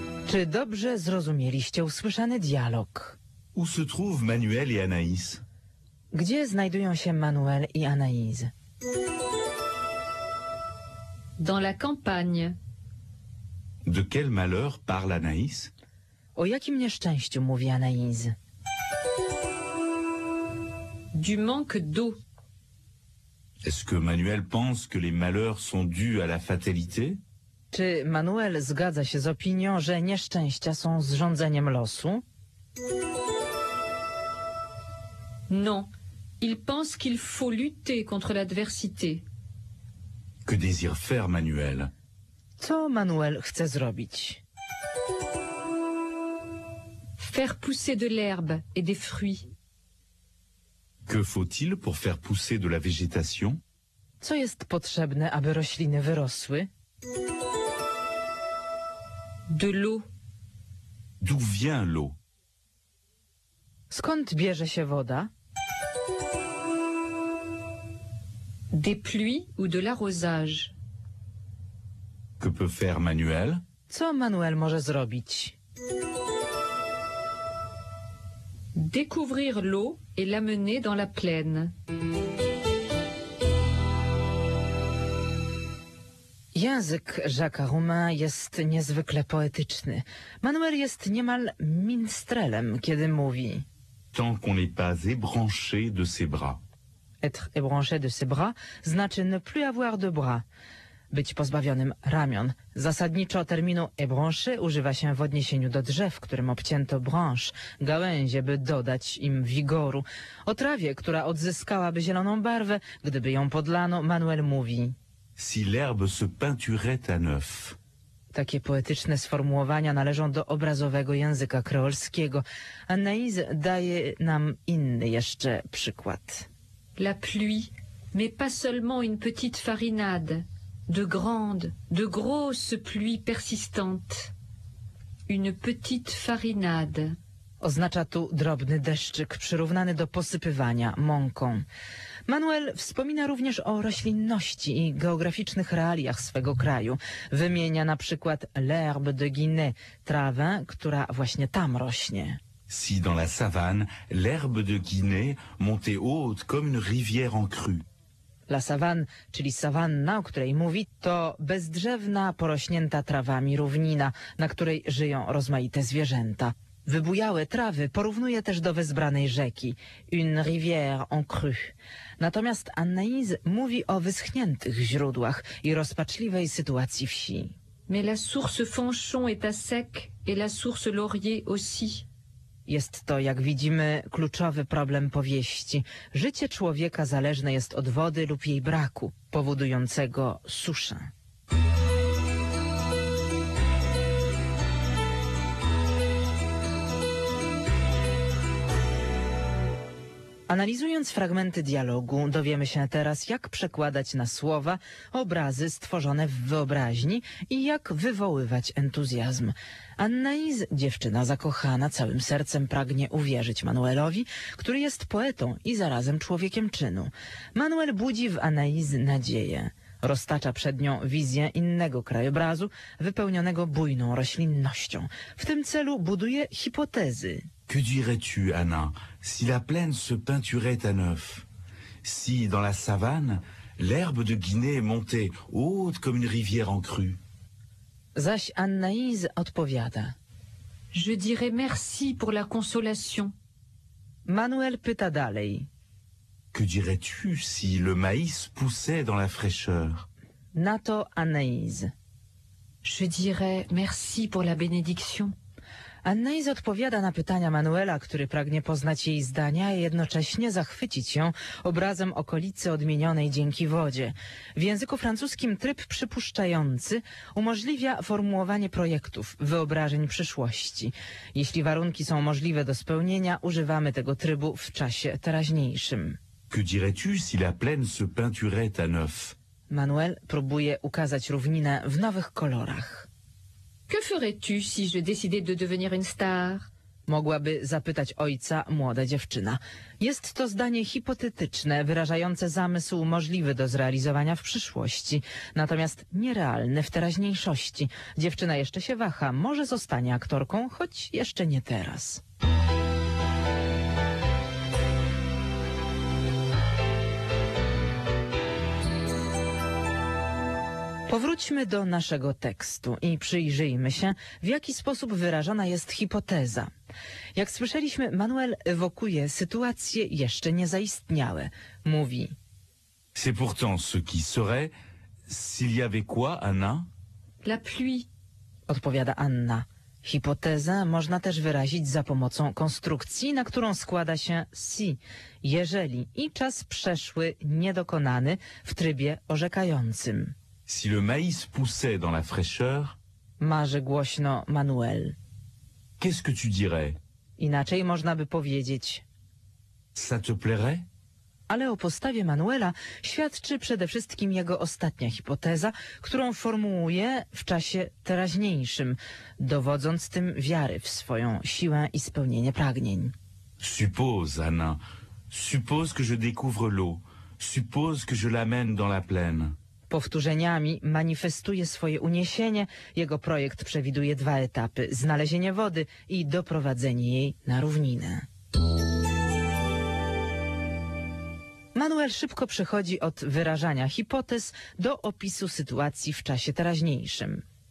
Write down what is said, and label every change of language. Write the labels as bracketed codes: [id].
[pl] Czy dobrze zrozumieliście usłyszany dialog? [fr] Où se trouvent Manuel et Anaïs? [pl] Gdzie znajdują się Manuel i Anaïs? [fr] Dans la campagne. De quel malheur parle Anaïs? [pl] O jakim nieszczęściu mówi Anaïs? [fr] Du manque d'eau. Est-ce que Manuel pense que les malheurs sont dus à la fatalité? [pl] Czy Manuel zgadza się z opinią, że nieszczęścia są zrządzeniem losu? [fr] Non, il pense qu'il faut lutter contre l'adversité. Que désire faire Manuel? [pl] Co Manuel chce zrobić? [fr] Faire pousser de l'herbe et des fruits. Que faut-il pour faire pousser de la végétation? [pl] Co jest potrzebne, aby rośliny wyrosły? [fr] De l'eau. D'où vient l'eau? [pl] Skąd bierze się woda? [fr] Des pluies ou de l'arrosage? Que peut faire Manuel? [pl] Co Manuel może zrobić? [fr] Découvrir l'eau et l'amener dans la plaine. [pl] Język Jacques Roumain jest niezwykle poetyczny. Manuel jest niemal minstrelem, kiedy mówi: [fr] Tant qu'on n'est pas ébranché de ses bras. Être ébranché de ses bras [pl] znaczy [fr] ne plus avoir de bras. [pl] Być pozbawionym ramion. Zasadniczo terminu ébranché używa się w odniesieniu do drzew, którym obcięto branche, gałęzie, by dodać im wigoru. O trawie, która odzyskałaby zieloną barwę, gdyby ją podlano, Manuel mówi: [fr] Si l'herbe se peinturait à neuf. [pl] Takie poetyczne sformułowania należą do obrazowego języka kreolskiego. Anaïs daje nam inny jeszcze przykład. [fr] La pluie, mais pas seulement une petite farinade. De grandes, de grosses pluies persistantes. Une petite farinade. [pl] Oznacza tu drobny deszczyk przyrównany do posypywania mąką. Manuel wspomina również o roślinności i geograficznych realiach swego kraju. Wymienia na przykład l'herbe de Guinée, trawę, która właśnie tam rośnie. [fr] Si dans la savane, l'herbe de Guinée montait haute comme une rivière en crue. [pl] La savane, czyli savanna, o której mówi, to bezdrzewna, porośnięta trawami równina, na której żyją rozmaite zwierzęta. Wybujałe trawy porównuje też do wezbranej rzeki, [fr] une rivière en cru. [pl] Natomiast Anaïs mówi o wyschniętych źródłach i rozpaczliwej sytuacji wsi. [fr] Mais la source Fanchon est à sec et la source Laurier aussi. [pl] Jest to, jak widzimy, kluczowy problem powieści. Życie człowieka zależne jest od wody lub jej braku, powodującego suszę. Analizując fragmenty dialogu, dowiemy się teraz, jak przekładać na słowa obrazy stworzone w wyobraźni i jak wywoływać entuzjazm. Anaïs, dziewczyna zakochana, całym sercem pragnie uwierzyć Manuelowi, który jest poetą i zarazem człowiekiem czynu. Manuel budzi w Anaïs nadzieję. Roztacza przed nią wizję innego krajobrazu, wypełnionego bujną roślinnością. W tym celu buduje hipotezy. [fr] Que dirais-tu, Anna, si la plaine se peinturait à neuf? Si, dans la savane, l'herbe de Guinée montait haute comme une rivière en crue? [pl] Zaś Anaïs odpowiada. [fr] Je dirais merci pour la consolation. [pl] Manuel pyta dalej. [fr] Que dirais-tu si le maïs poussait dans la fraîcheur? [pl] Na to Anaïs. [fr] Je dirais merci pour la bénédiction. [pl] Anaïs odpowiada na pytania Manuela, który pragnie poznać jej zdania i jednocześnie zachwycić ją obrazem okolicy odmienionej dzięki wodzie. W języku francuskim tryb przypuszczający umożliwia formułowanie projektów, wyobrażeń przyszłości. Jeśli warunki są możliwe do spełnienia, używamy tego trybu w czasie teraźniejszym. [fr] Que dirais-tu si la plaine se peinturait à neuf? [pl] Manuel próbuje ukazać równinę w nowych kolorach. [fr] Que ferais-tu si je décidais de devenir une star? [pl] Mogłaby zapytać ojca młoda dziewczyna. Jest to zdanie hipotetyczne, wyrażające zamysł możliwy do zrealizowania w przyszłości, natomiast nierealny w teraźniejszości. Dziewczyna jeszcze się waha, może zostanie aktorką, choć jeszcze nie teraz. Powróćmy do naszego tekstu i przyjrzyjmy się, w jaki sposób wyrażona jest hipoteza. Jak słyszeliśmy, Manuel ewokuje sytuacje jeszcze niezaistniałe. Mówi: [fr] C'est pourtant ce qui serait, s'il y avait quoi, Anna? La pluie. [pl] Odpowiada Anna. Hipotezę można też wyrazić za pomocą konstrukcji, na którą składa się si, jeżeli i czas przeszły niedokonany w trybie orzekającym. [fr] Si le maïs poussait dans la fraîcheur, [pl] marzy głośno Manuel. [fr] Qu'est-ce que tu dirais? [pl] Inaczej można by powiedzieć. [fr] Ça te plairait? [pl] Ale o postawie Manuela świadczy przede wszystkim jego ostatnia hipoteza, którą formułuje w czasie teraźniejszym, dowodząc tym wiary w swoją siłę i spełnienie pragnień. [fr] Suppose, Anna, suppose que je découvre l'eau, suppose que je l'amène dans la plaine. [pl] Powtórzeniami manifestuje swoje uniesienie. Jego projekt przewiduje dwa etapy: znalezienie wody i doprowadzenie jej na równinę. Manuel szybko przechodzi od wyrażania hipotez do opisu sytuacji w czasie teraźniejszym.